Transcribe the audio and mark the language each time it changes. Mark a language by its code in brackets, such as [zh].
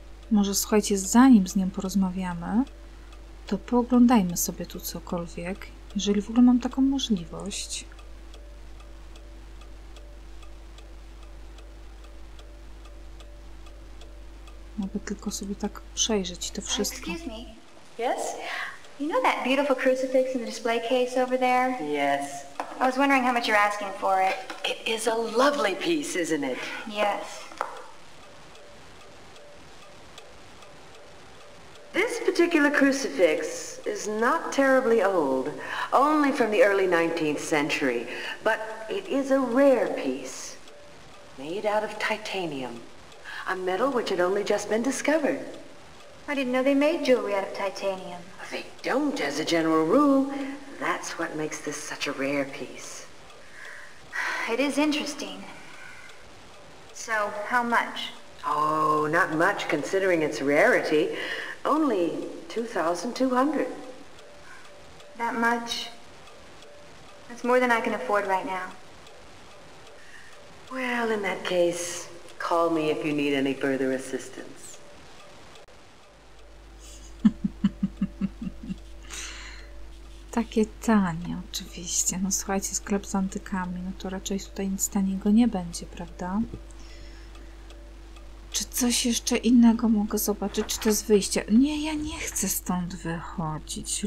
[pl] Może, słuchajcie, zanim z nią porozmawiamy, to pooglądajmy sobie tu cokolwiek, jeżeli w ogóle mam taką możliwość. Mogę tylko sobie tak przejrzeć to wszystko. [en] Excuse me. Yes? You know that beautiful crucifix in the display case over there? Yes. I was wondering how much you're asking for it. It is a lovely piece, isn't it? Yes. This particular crucifix is not terribly old, only from the early 19th century, but it is a rare piece, made out of titanium, a metal which had only just been discovered. I didn't know they made jewelry out of titanium. They don't, as a general rule. That's what makes this such a rare piece. It is interesting. So, how much? Oh, not much, considering its rarity. Only 2,200. That much? That's more than I can afford right now. Well, in that case, call me if you need any further assistance. [pl] Takie tanie, oczywiście. No słuchajcie, sklep z antykami, no to raczej tutaj nic taniego nie będzie, prawda? Czy coś jeszcze innego mogę zobaczyć? Czy to jest wyjście? Nie, ja nie chcę stąd wychodzić.